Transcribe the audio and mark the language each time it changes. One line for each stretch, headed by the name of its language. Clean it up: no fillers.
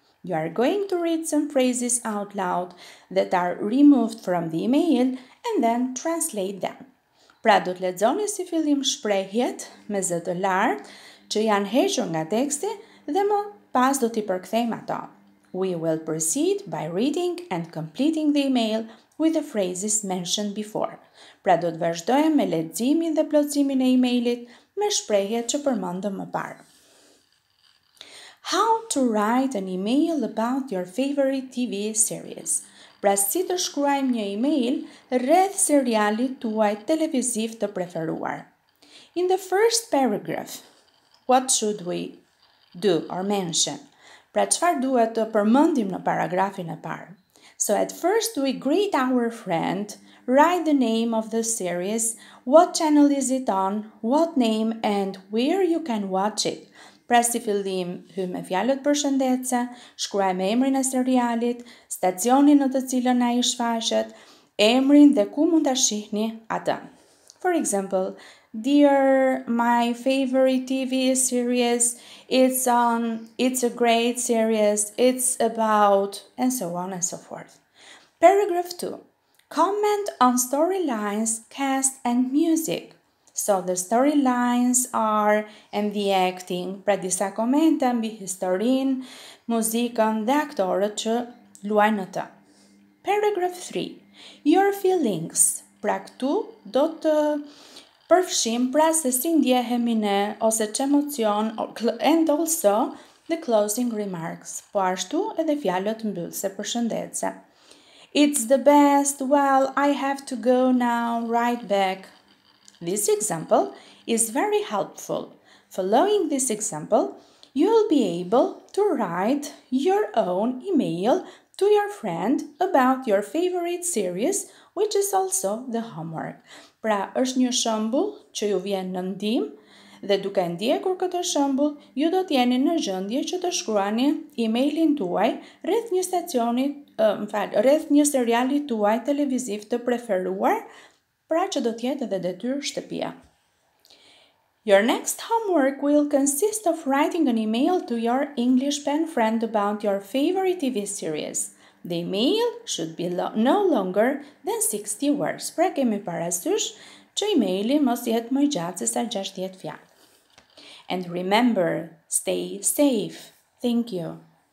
English: You are going to read some phrases out loud that are removed from the email and then translate them.
Albanian: Pra do të lexoni si fillim shprehjet me zë të lartë që janë hequr nga teksti dhe më pas do t'i përkthejmë ato.
English: We will proceed by reading and completing the email with the phrases mentioned before.
Albanian: Pra do të vazhdojmë me leximin dhe plotësimin e emailit me shprehjet që përmendëm më parë.
English: How to write an email about your favorite TV series?
Albanian: Pra si të shkruajmë një email rreth serialit tuaj televiziv të preferuar.
English: In the first paragraph, what should we do or mention?
Albanian: Pra çfarë duhet të përmendim në paragrafin e parë?
English: So at first we greet our friend, write the name of the series, what channel is it on, what name and where you can watch it.
Albanian: Pra si fillim, hymë me fjalët përshëndetëse, shkruaj me emrin e serialit, stacionin në të cilën ai shfaqet, emrin dhe ku mund ta shihni atë.
English: For example, dear, my favorite TV series, it's a great series, it's about, and so on and so forth. Paragraph 2. Comment on storylines, cast and music. So the storylines are and the acting.
Albanian: Pra disa komente mbi historinë, muzikën dhe aktorët që luajnë në të.
English: Paragraph 3. Your feelings.
Albanian: Pra këtu do të përfshim pra se si ndjehemi ne ose që emocion
English: and also the closing remarks,
Albanian: po ashtu edhe fjalët mbyllëse për shëndetse.
English: It's the best, well, I have to go now, right back. This example is very helpful. Following this example, you'll be able to write your own email to your friend about your favorite series, which is also the homework.
Albanian: Pra, është një shembull që ju vjen në ndim, dhe duke ndjekur këtë shembull, ju do të jeni në gjendje që të shkruani emailin tuaj rreth një stacioni, rreth një seriali tuaj televiziv të preferuar, pra që do të jetë edhe detyrë shtëpia.
English: Your next homework will consist of writing an email to your English pen friend about your favorite TV series. The email should be no longer than 60 words.
Albanian: Pra kemi parasysh që emaili mos jetë më gjatë se sa 60 fjalë.
English: And remember, stay safe. Thank you.